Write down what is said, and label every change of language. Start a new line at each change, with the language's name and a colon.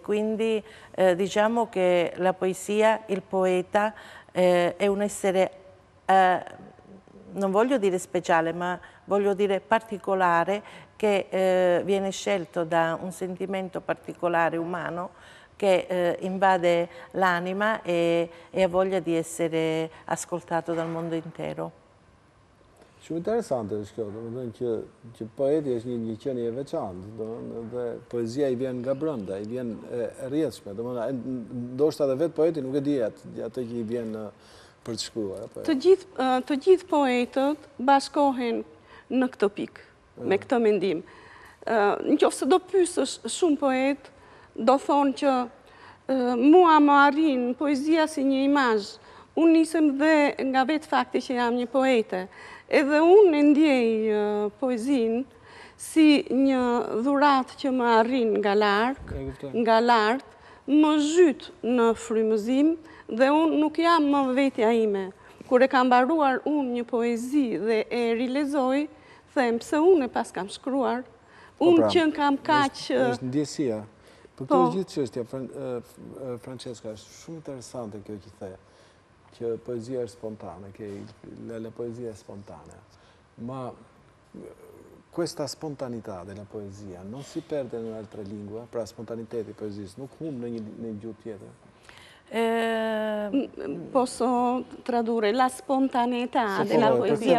Italian: Quindi diciamo che la poesia, il poeta, è un essere, non voglio dire speciale, ma voglio dire particolare, che viene scelto da un sentimento particolare umano che invade l'anima e ha voglia di essere ascoltato dal mondo intero.
Albanian: Shumë interesante është kjo, domethënë që poeti është një qenie e veçantë, domethënë dhe poezia i vjen nga brenda, i vjen e rrjedhshme, domethënë ndoshta edhe vetë poeti nuk e di atë që i vjen për të shkruar apo. Të gjithë poetët bashkohen në këtë pikë, me këtë mendim. Nëse do pyesësh shumë poet, do thonë që mua më arrin poezia si një imazh. Unë nisem dhe nga vetë fakti që jam një poete. Edhe unë e ndjej poezinë si një dhuratë që më arrin nga lart, më zhyt në frymëzim dhe unë nuk jam më vetja ime. Kur e kam mbaruar unë një poezi dhe e rilezoj, them pse unë e pas kam shkruar. Unë që kam kaq është ndjesia. Për këtë gjithë çështje, Francesca, është shumë interesante kjo që the.
Italian: che poesia è spontanea, che la poesia è spontanea. Ma questa spontaneità della poesia non si perde in un'altra lingua? Per la spontaneità di poesia, non come negli altri? Posso tradurre la spontaneità della poesia?